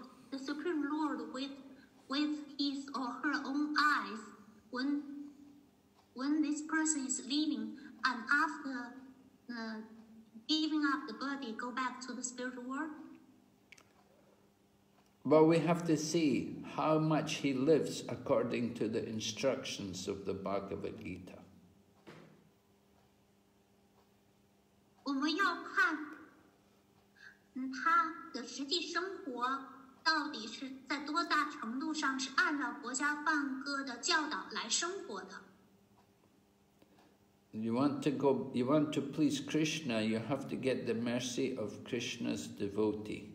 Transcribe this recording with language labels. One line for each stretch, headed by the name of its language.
English: the Supreme Lord with his or her own eyes when this person is leaving and after giving up the body, go back to the spiritual world? Well, we have to see how much he lives according to the instructions of the Bhagavad Gita.
Chinese: 我们要看他的实际生活到底是在多大程度上是按照薄伽梵歌的教导来生活的。
English: You want to please Krishna, you have to get the mercy of Krishna's devotee.